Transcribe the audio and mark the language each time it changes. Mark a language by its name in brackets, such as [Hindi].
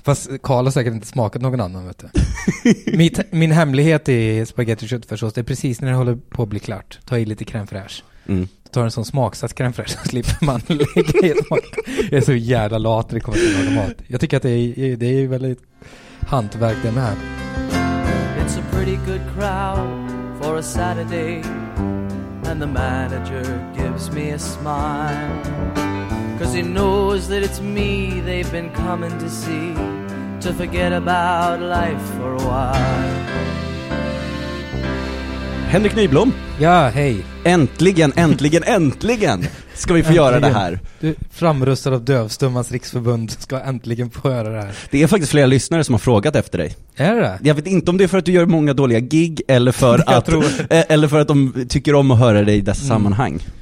[Swedish] Fast Carl har säkert inte smakat någon annan, vet du. Min hemlighet i spaghetti och köttfärssås, det är precis när det håller på att bli klart. Ta i lite crème fraîche. Mm. Då tar en sån smaksatt crème fraîche så slipper man lägga i smak. Jag är så jävla lat när det kommer till mat. Jag tycker att det är väldigt hantverk det med. [English] It's a pretty good crowd for a Saturday. And the manager gives me a smile. 'Cause he knows that it's me they've been coming to see, to forget about life for a while. [Swedish] Henrik Nyblom. Ja, hej. Äntligen ska vi få göra det här. Du framröstar av Dövstummans Riksförbund ska äntligen få göra det här. Det är faktiskt flera lyssnare som har frågat efter dig. Är det? Jag vet inte om det är för att du gör många dåliga gig eller för att eller för att de tycker om att höra dig i dessa sammanhang.